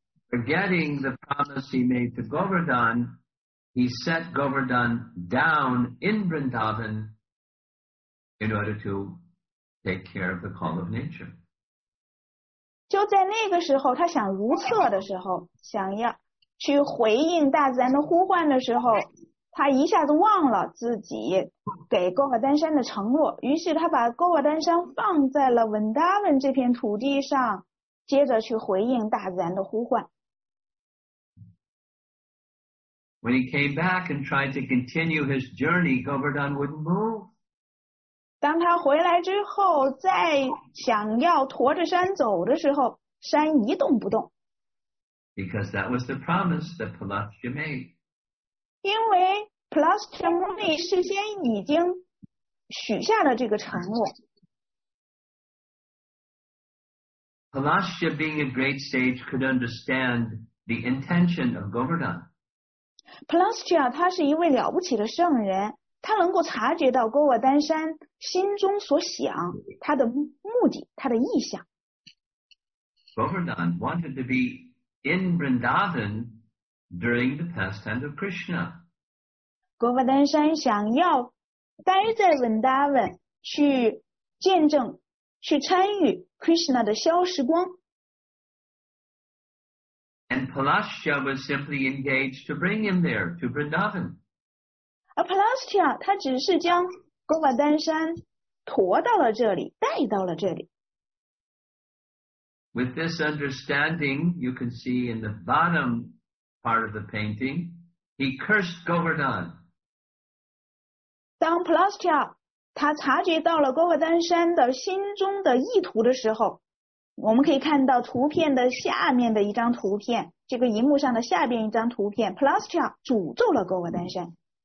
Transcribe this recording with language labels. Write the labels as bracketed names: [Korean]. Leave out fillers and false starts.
[English] Forgetting the promise he made to Govardhan,He set Govardhan down in Vrindavan in order to take care of the call of nature. [Chinese] 就在那个时候，他想如厕的时候，想要去回应大自然的呼唤的时候，他一下子忘了自己给 Govardhan 山的承诺，于是他把 Govardhan 山放在了 Vrindavan 这片土地上，接着去回应大自然的呼唤。 [English] When he came back and tried to continue his journey, Govardhan wouldn't move. [Chinese] 当他回来之后，再想要驮着山走的时候，山一动不动。 [English] Because that was the promise that Palashtra made. [Chinese] 因为 Palashtra Muni 事先已经许下了这个承诺。 [English] Palashtra, being a great sage, could understand the intention of Govardhan. [Chinese] Palashtra 他是一位了不起的圣人，他能够察觉到 Govardhan 山心中所想，他的目的，他的意向。 [English] Govardhan wanted to be in Vrindavan during the pastime of Krishna. [Chinese] Govardhan 山想要待在 Vrindavan 去见证，去参与 Krishna 的消时光。 [English] And Palashtra was simply engaged to bring him there, to Vrindavan. [Chinese] Palashtra, 他只是将 Govardhan 山驮到了这里，带到了这里。 [English] With this understanding, you can see in the bottom part of the painting, he cursed Govardhan. [Chinese] 当 Plastia 他察觉到了 Govardhan 山的心中的意图的时候，我们可以看到图片的下面的一张图片，这个荧幕上的下边一张图片， Plastia 诅咒了 Govardhan 山。